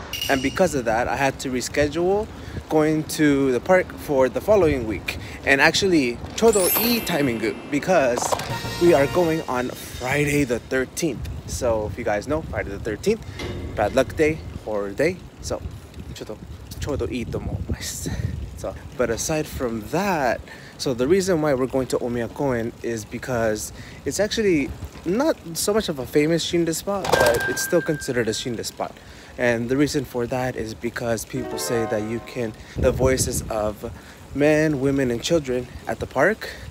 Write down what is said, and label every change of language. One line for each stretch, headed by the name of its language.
English: And because of that, I had to reschedule going to the park for the following week. And actually,
Japanese: ちょうどいいタイミング
English: because we are going on Friday the 13th. So if you guys know, Friday the 13th, bad luck day, horror day.
Japanese: So ちょうどいいと思います。
English: So, but aside from that, so the reason why we're going to Omiya Park is because it's actually not so much of a famous shinde spot, but it's still considered a shinde spot. And the reason for that is because people say that you can the voices of men, women, and children at the park.